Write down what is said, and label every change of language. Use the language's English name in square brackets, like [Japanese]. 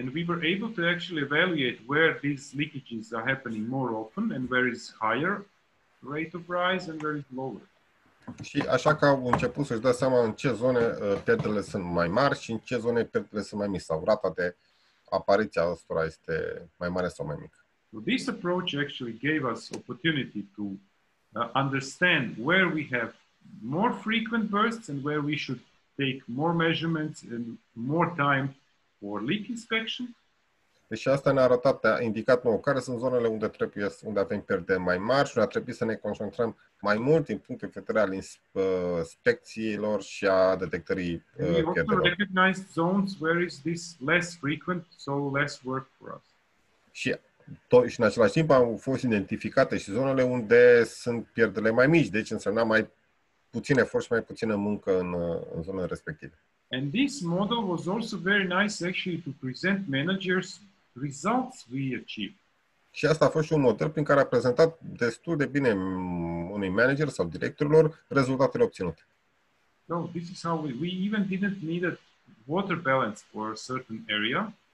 [English] And we were able to actually evaluate where these leakages are happening more often and where is higher rate of rise and where is lower. [Romanian] Și așa că au început să-și dea seama în ce zone pierderile sunt mai mari și în ce zone pierderile sunt mai mici sau rata de apariția ăstora este mai mare sau mai mică. [English] So this approach actually gave us opportunity to understand where we have more frequent bursts and where we should take more measurements and more time for leak inspection. [Romanian] Deci asta ne-a arătat, a indicat nouă care sunt zonele unde trebuie, unde avem pierderi mai mari și a trebuit să ne concentrăm mai mult din punct de vedere al inspecțiilor și a detectării pierderilor. [English] We also recognized zones where is this less frequent, so less work for us. [Romanian] Și în același timp au fost identificate și zonele unde sunt pierderile mai mici, deci însemna mai puțin efort și mai puțină muncă în zonele respective. [English] And this model was also very nice actually to present managers results we achieved. [Romanian] Și asta a fost și un model prin care a prezentat destul de bine unui manager sau directorilor rezultatele obținute. [English] So this is how we even didn't need a water balance for a certain area.